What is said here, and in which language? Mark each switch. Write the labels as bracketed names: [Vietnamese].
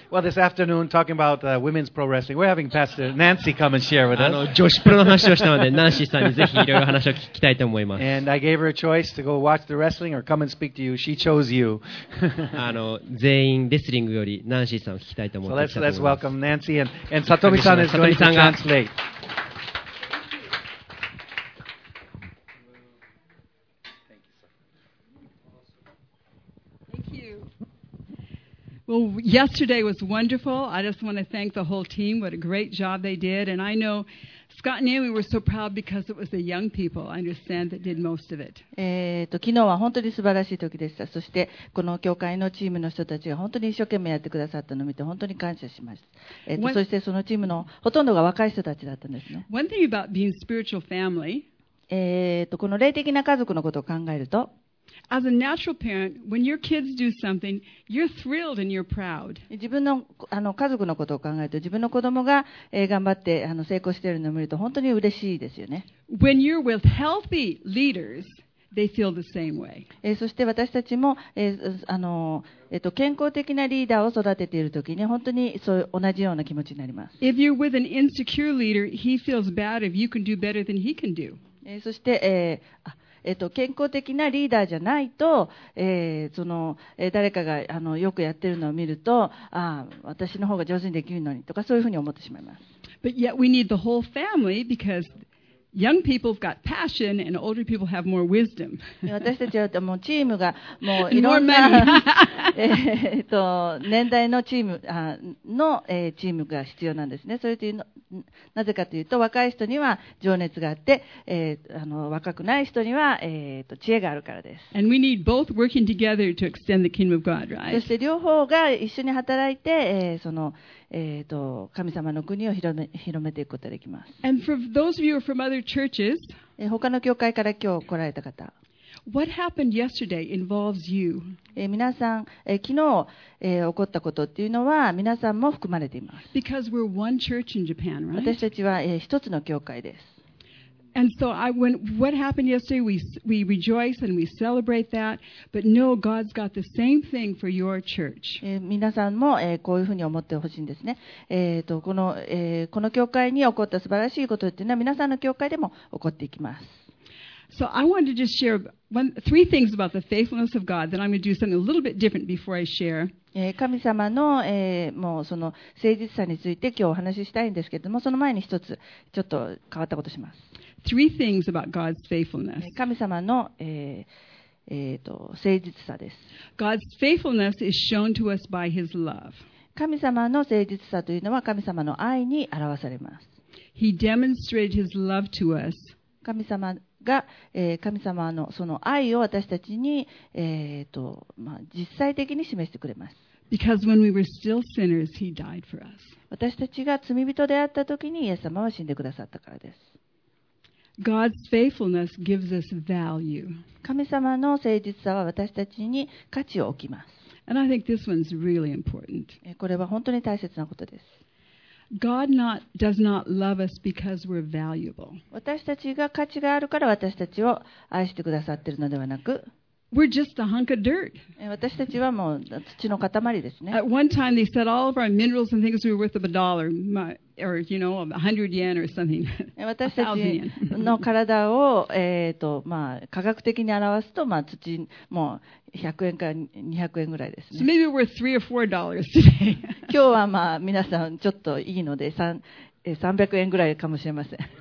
[English] Well, this afternoon talking about women's pro wrestling, we're having Pastor Nancy come and share with us. [Japanese] 女子プロの話をしたので、ナンシーさんにぜひいろいろ話を聞きたいと思います。 [English] And I gave her a choice to go watch the wrestling or come and speak to you. She chose you. [Japanese] 全員レスリングよりナンシーさんを聞きたいと思います。 [English] So let's welcome Nancy and Satomi-san is going to translate. Well, yesterday was wonderful. I just want to thank the whole team. What a great job they did. And I know Scott and Naomi were so proud because it was the young people, I understand, that did most of it. [Japanese] 昨日は本当に素晴らしい時でした。そしてこの教会のチームの人たちが本当に一生懸命やってくださったのを見て本当に感謝しました。そしてそのチームのほとんどが若い人たちだったんですね。 [English] One thing about being spiritual family, [Japanese] この霊的な家族のことを考えると、 [English] As a natural parent, when your kids do something, you're thrilled and you're proud. [Japanese] 自分の、家族のことを考えると、自分の子供が、頑張って、成功しているのを見ると、本当に嬉しいですよね。 [English] When you're with healthy leaders, they feel the same way. [Japanese] そして私たちも、健康的なリーダーを育てているときに、本当にそう同じような気持ちになります。 [English] If you're with an insecure leader, he feels bad if you can do better than he can do. [Japanese] そして、健康的なリーダーじゃないと、誰かがよくやってるのを見るとああ私の方が上手にできるのにとかそういうふうに思ってしまいます。 [English] But yet we need the whole family because young people have got passion and older people have more wisdom. [Japanese] 私たちはもうチームがもういろんな年代のチームの、チームが必要なんですね。それというのなぜかというと若い人には情熱があって、若くない人には、知恵があるからです。 [English] And we need both working together to extend the kingdom of God, right? [Japanese] そして両方が一緒に働いて、神様の国を広めていくことができます。 [English] And for those of you from other churches, [Japanese] 他の教会から今日来られた方、 [English] What happened yesterday involves you. [Japanese] 皆さん、昨日、起こったことっていうのは皆さんも含まれています。 [English] Because we're one church in Japan, right? [Japanese] 私たちは、一つの教会です。 [English] And so I went, what happened yesterday? We rejoice and we celebrate that, but no, God's got the same thing for your church. [Japanese] 皆さんも、こういうふうに思ってほしいんですね。この教会に起こった素晴らしいことっていうのは皆さんの教会でも起こっていきます。 [English] So I wanted to just share three things about the faithfulness of God. Then I'm going to do something a little bit different before I share. [Japanese] 神様の、もうその誠実さについて今日お話ししたいんですけれども、その前に一つちょっと変わったことします。 [English] Three things about God's faithfulness. [Japanese] 神様の、誠実さです。 [English] God's faithfulness is shown to us by His love. [Japanese] 神様の誠実さというのは神様の愛に表されます。 [English] He demonstrated His love to us. [Japanese] 神様が、神様のその愛を私たちに、実際的に示してくれます。 [English] Because when we were still sinners, he died for us. [Japanese] 私たちが罪人であった時にイエス様は死んでくださったからです。 [English] God's faithfulness gives us value. [Japanese] 神様の誠実さは私たちに価値を置きます。 [English] And I think this one's really important. [Japanese] これは本当に大切なことです。 [English] God does not love us because we're valuable. [Japanese] 私たちが価値があるから私たちを愛してくださっているのではなく、 [English] We're just a hunk of dirt. [Japanese] 私たちはもう土の塊ですね。 [English] At one time they said all of our minerals and things were worth of a dollar, or you know, a hundred yen or something. [Japanese] 私たちの体を、まあ、科学的に表すと、まあ、土もう100円か200円ぐらいですね。 [English] So maybe we're three or four dollars today. [Japanese] 今日はまあ皆さんちょっといいので300円ぐらいかもしれません。